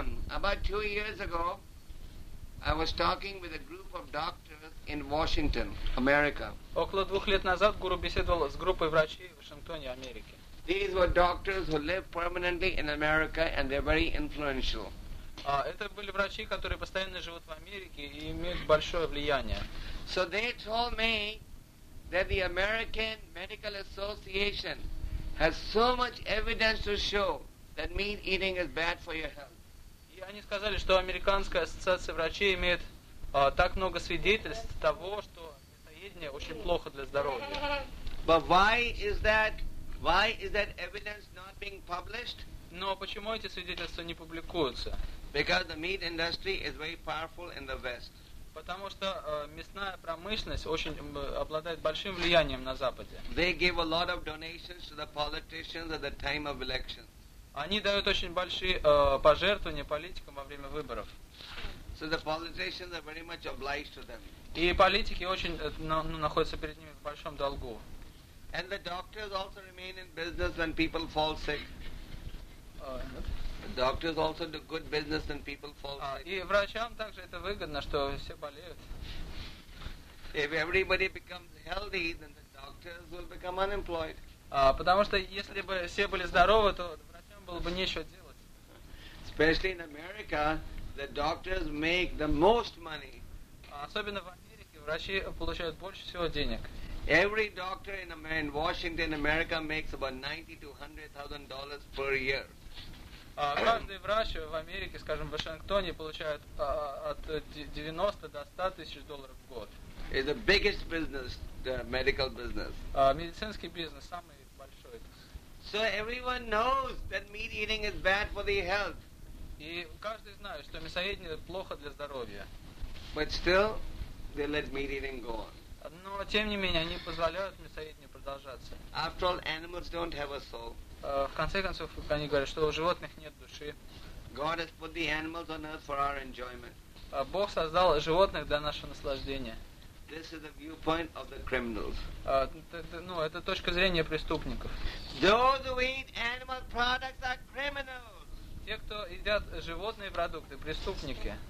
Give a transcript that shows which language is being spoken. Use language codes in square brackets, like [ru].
[en] About 2 years ago, I was talking with a group of doctors in Washington, America. [ru] Около 2 лет назад гуру беседовал с группой врачей в Вашингтоне, Америке. [en] These were doctors who live permanently in America, and they're very influential. [ru] Это были врачи, которые постоянно живут в Америке и имеют большое влияние. [en] So they told me that the American Medical Association has so much evidence to show that meat eating is bad for your health. [ru] И они сказали, что американская ассоциация врачей имеет так много свидетельств того, что мясоедение очень плохо для здоровья. [en] But why is that? Why is that evidence not being published? [ru] Но почему эти свидетельства не публикуются? [en] Because the meat industry is very powerful in the West. [ru] Потому что мясная промышленность обладает большим влиянием на Западе. [en] They give a lot of donations to the politicians at the time of elections. [ru] Они дают очень большие пожертвования политикам во время выборов. [en] So the politicians are very much obliged to them. [ru] И политики находятся перед ними в большом долгу. [en] And the doctors also remain in business when people fall sick. The doctors also do good business when people fall sick. [ru] И врачам также это выгодно, что все болеют. [en] If everybody becomes healthy, then the doctors will become unemployed. [ru] Потому что если бы все были здоровы, то врачам было бы нечего делать. [en] Especially in America, the doctors make the most money. [ru] Особенно в Америке врачи получают больше всего денег. [en] Every doctor in Washington, America makes about $90,000 to $100,000 per year. [ru] Каждый врач в Америке, скажем, в Вашингтоне, получает от 90 до 100 тысяч долларов в год. [en] It's the biggest business, the medical business. [ru] Медицинский бизнес самый большой. [en] So everyone knows that meat eating is bad for the health. [ru] И каждый знает, что мясоедение плохо для здоровья. [en] But still, they let meat eating go on. [ru] Но тем не менее они позволяют мясоедению продолжаться. [en] After all, animals don't have a soul. [ru] В конце концов, они говорят, что у животных нет души. [en] God has put the animals on earth for our enjoyment. [ru] Бог создал животных для нашего наслаждения. [en] This is the viewpoint of the criminals. [ru] Это точка зрения преступников. [en] Those who eat animal products are criminals. [ru] Те, кто едят животные продукты, преступники.